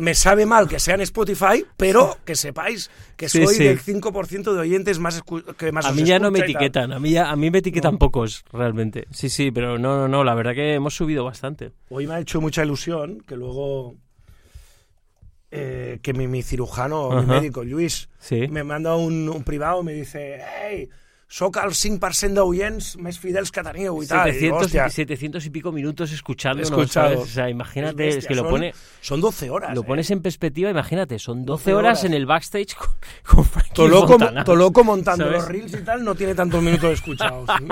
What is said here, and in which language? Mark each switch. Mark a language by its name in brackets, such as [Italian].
[Spanish] Me sabe mal que sea en Spotify, pero que sepáis que soy del 5% de oyentes más A mí ya no me etiquetan, a mí me etiquetan pocos, realmente. Sí, pero no, la verdad que hemos subido bastante. Hoy me ha hecho mucha ilusión que luego... que mi cirujano, mi médico, Lluís, ¿sí? Me manda un privado y me dice, hey, [Catalan] soc el 5% d'oients més fidels que teniu [Spanish] y tal. 700 y pico minutos escuchándonos, ¿sabes? O sea, imagínate, es que son 12 horas. Lo pones en perspectiva, imagínate, son 12 horas en el backstage con Frankie Toloco, Fontana. Toloco montando, ¿sabes? Los reels y tal, no tiene tantos minutos escuchados.